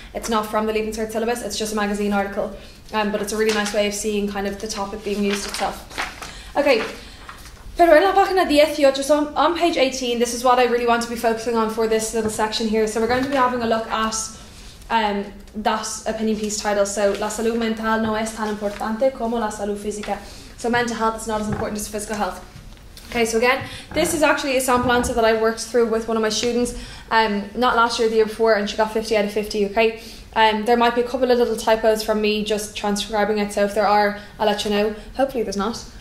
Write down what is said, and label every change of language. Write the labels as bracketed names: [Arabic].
[English] It's not from the Leaving Cert syllabus, it's just a magazine article. But it's a really nice way of seeing kind of the topic being used itself. Okay, [Spanish] pero en la página 18, [English] just on page 18, this is what I really want to be focusing on for this little section here. So we're going to be having a look at that opinion piece title. [Spanish] So, la salud mental no es tan importante como la salud física. [English] So mental health is not as important as physical health. Okay, so again, this is actually a sample answer that I worked through with one of my students, not last year, the year before, and she got 50 out of 50, okay? There might be a couple of little typos from me just transcribing it, so if there are, I'll let you know. Hopefully there's not.